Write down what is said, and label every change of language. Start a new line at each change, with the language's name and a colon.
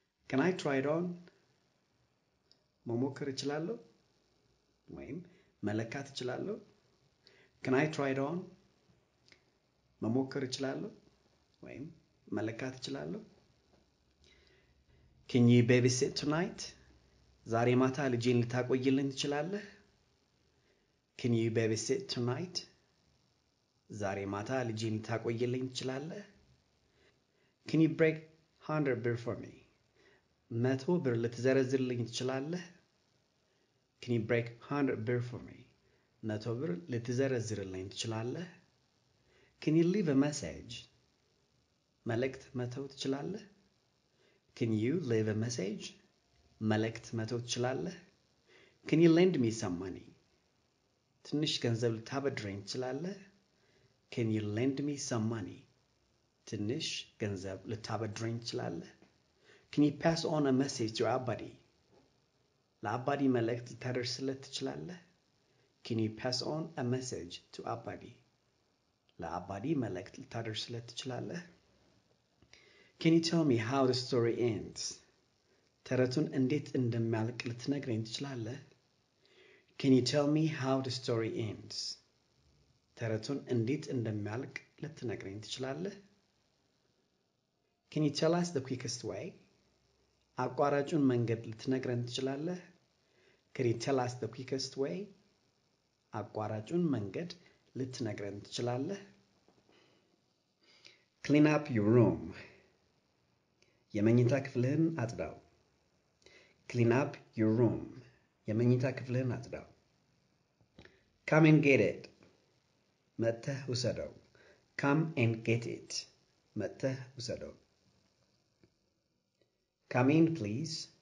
English: Can I try it on?
Amharic: መሞከር ይችላል? ወይም መለካት ይችላል?
English: Can I try it on?
Amharic: መሞከር ይችላል? ወይም መለካት ይችላል?
English: Can you babysit tonight?
Amharic: ዛሬ ማታ ልጄን ልታቆይልኝ ትችላለህ?
English: Can you babysit tonight?
Amharic: ዛሬ ማታ ልጄን ታቆየልኝ ትችላለህ?
English: Can you break 100 birr for me?
Amharic: 100 birr ልትዘረዝልኝ ትችላለህ?
English: Can you break 100 birr for me?
Amharic: 100 birr ልትዘረዝልኝ ትችላለህ?
English: Can you leave a message?
Amharic: መልእክት መተው ትችላለህ?
English: Can you leave a message?
Amharic: መልእክት መተው ትችላለህ?
English: Can you lend me some money?
Amharic: ትንሽ ገንዘብ ልታበድረኝ ትችላለህ?
English: Can you lend me some money?
Amharic: ትንሽ ገንዘብ ልታበድረኝ ትችላለህ?
English: Can you pass on a message to Abadi?
Amharic: ለአባዲ መልእክት ልታደርስለት ትችላለህ?
English: Can you pass on a message to Abadi?
Amharic: ለአባዲ መልእክት ልታደርስለት ትችላለህ?
English: Can you tell me how the story ends?
Amharic: ተረቱን እንዴት እንደሚያልቅ ልትነግረኝ ትችላለህ?
English: Can you tell me how the story ends?
Amharic: ተረቱን እንዴት እንደሚያልቅ ልትነግረኝ ትችላለህ?
English: Can you tell us the quickest way?
Amharic: አቋራጩን መንገድ ልትነግረን ትችላለህ?
English: Can you tell us the quickest way?
Amharic: አቋራጩን መንገድ ልትነግረን ትችላለህ?
English: Clean up your room.
Amharic: የመኝታ ክፍልህን አጽዳው።
English: Clean up your room.
Amharic: የመኝታ ክፍልህን አጽዳው።
English: Come and get it.
Amharic: መጥተህ ውሰደው።
English: Come and get it. መጥተህ ውሰደው። Come in please.